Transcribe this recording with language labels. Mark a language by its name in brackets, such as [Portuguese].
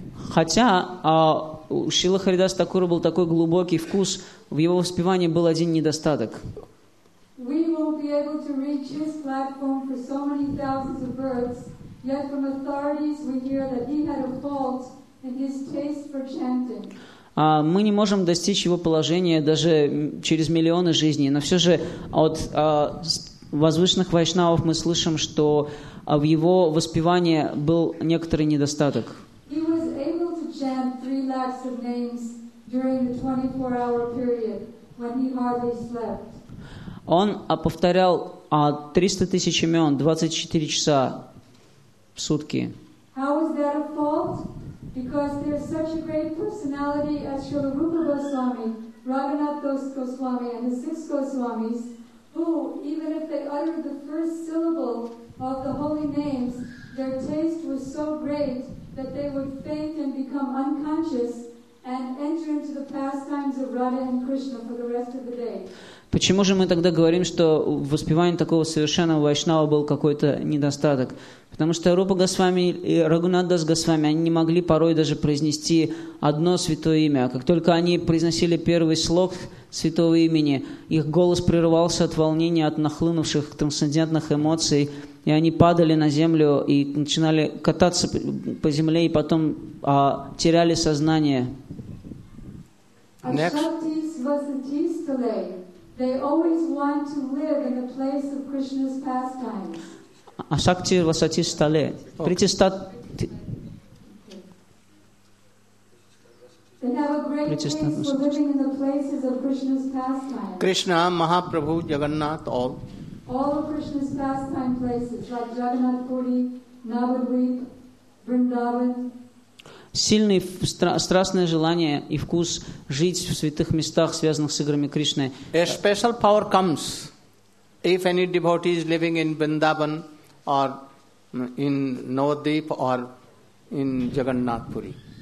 [Russian] Хотя у Шрилы Харидас Такура был такой глубокий вкус, в его воспевании был один недостаток. [English] We won't be able to reach his platform for so many thousands of births, yet from authorities we hear that he had a fault in his taste for chanting. [Russian] Мы не можем достичь его положения даже через миллионы жизней, но все же от возвышенных вайшнавов мы слышим, что в его воспевании был некоторый недостаток. [English] He was able to chant 3 lakhs of names during the 24-hour period when he hardly slept. [Russian] Он повторял 300 тысяч имен 24 часа в сутки. [English] How is that a fault? Because there's such a great personality as Srila Rupa Goswami, Raghunath Das Goswami, and the 6 Goswamis, who, even if they uttered the first syllable of the holy names, their taste was so great that they would faint and become unconscious and enter into the pastimes of Radha and Krishna for the rest of the day. [Russian] Почему же мы тогда говорим, что в воспевании такого совершенного вайшнава был какой-то недостаток? Потому что Рупа Госвами и Рагунат Дас Госвами, они не могли порой даже произнести одно святое имя. Как только они произносили первый слог святого имени, их голос прерывался от волнения, от нахлынувших трансцендентных эмоций, и они падали на землю и начинали кататься по земле, и потом теряли сознание. [English] Next. [Sanskrit] Ashaktis Vasatis Tale. [English] They always want to live in a place of Krishna's pastimes. [Sanskrit] Ashakti Vasatis Tale. [English] They have a great place for living in the places of Krishna's pastimes. Krishna, Mahaprabhu, Jagannath, all. All of Krishna's pastime places, like Jagannath Puri, Navadvipa, Vrindavan. [Russian] Сильное страстное желание и вкус жить в святых местах, связанных с играми Кришны. [English] A special power comes if any devotee is living in Vrindavan or in Navadvip or in Jagannath Puri.